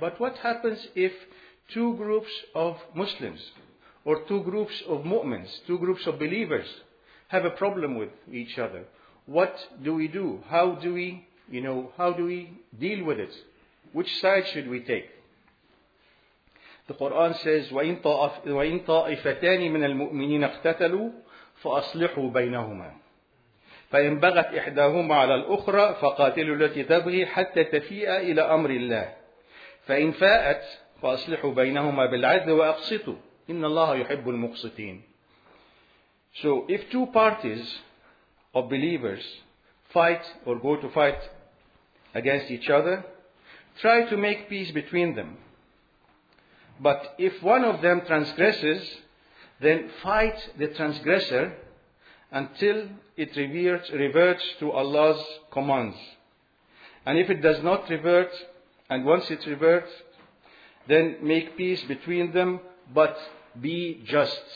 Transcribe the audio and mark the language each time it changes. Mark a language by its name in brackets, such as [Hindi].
[English] But what happens if two groups of Muslims or two groups of mu'mins, two groups of believers have a problem with each other? What do we do? How do we, how do we deal with it? Which side should we take? [Arabic] The Quran says, وَإِن طَائِفَتَانِ مِنَ الْمُؤْمِنِينَ اَخْتَتَلُوا فَأَصْلِحُوا بَيْنَهُمَا فَإِنْ بَغَتْ إِحْدَاهُمَا عَلَى الْأُخْرَى فَقَاتِلُوا الَّتِي تَبْغِي حَتَّى تَفِيءَ إِلَى أَمْرِ اللَّهِ فَإِنْ فَاءَتْ فَأَصْلِحُوا بَيْنَهُمَا بِالْعَدْلِ وَأَقْسِطُوا إِنَّ اللَّهَ يُحِبُّ الْمُقْسِطِينَ. [English] So if two parties of believers fight or go to fight against each other, try to make peace between them. But if one of them transgresses, then fight the transgressor until it reverts to Allah's commands. And if it does not revert, and once it reverts, then make peace between them, but be just.